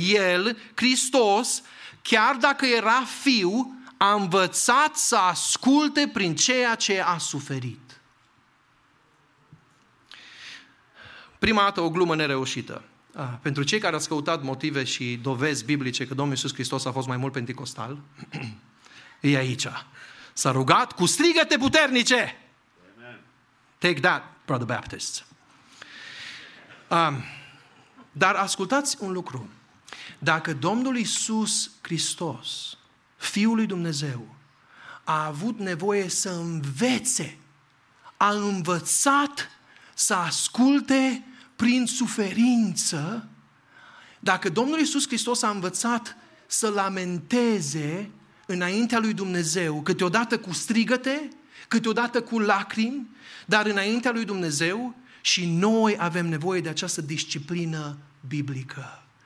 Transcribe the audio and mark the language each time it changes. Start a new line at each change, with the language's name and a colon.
Romanian: El, Hristos, chiar dacă era fiu, a învățat să asculte prin ceea ce a suferit. Prima dată o glumă nereușită. Pentru cei care au căutat motive și dovezi biblice că Domnul Iisus Hristos a fost mai mult penticostal, e aici. S-a rugat cu strigăte puternice! Amen.
English: Take that, Brother Baptist.
Romanian: Dar ascultați un lucru. Dacă Domnul Iisus Hristos, Fiul lui Dumnezeu, a avut nevoie să învețe, a învățat să asculte prin suferință, dacă Domnul Iisus Hristos a învățat să lamenteze înaintea lui Dumnezeu, câteodată cu strigăte, câteodată cu lacrimi, dar înaintea lui Dumnezeu, și noi avem nevoie de această disciplină biblică.